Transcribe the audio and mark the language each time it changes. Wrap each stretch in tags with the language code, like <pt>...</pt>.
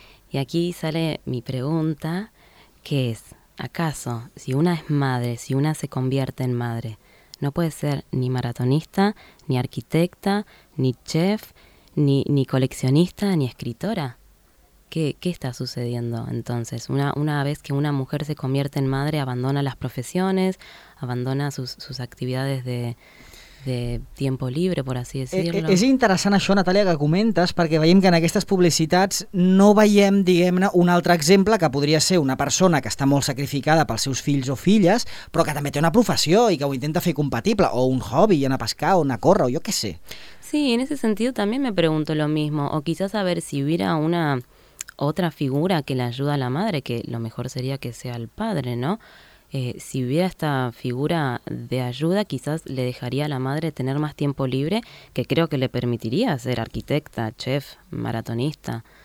<es>Y aquí sale mi pregunta, que es, ¿acaso si una es madre, si una se convierte en madre, no puede ser ni maratonista, ni arquitecta, ni chef, ni coleccionista, ni escritora? ¿Qué está sucediendo entonces? Una vez que una mujer se convierte en madre, abandona las profesiones, abandona sus actividades de de tiempo libre, por así decirlo.</es> <ca>És interessant això, Natàlia, que comentes, perquè veiem que en aquestes publicitats no veiem, diguem-ne, un altre exemple que podria ser una persona que està molt sacrificada pels seus fills o filles, però que també té una professió i que ho intenta fer compatible, o un hobby, anar a pescar, o anar a córrer, o jo què sé.</ca> <es>Sí, en ese sentido también me pregunto lo mismo, o quizás a ver si hubiera una otra figura que le ayuda a la madre, que lo mejor sería que sea el padre, ¿no? Si hubiera esta figura de ayuda, quizás le dejaría a la madre tener más tiempo libre, que creo que le permitiría ser arquitecta, chef, maratonista.</es>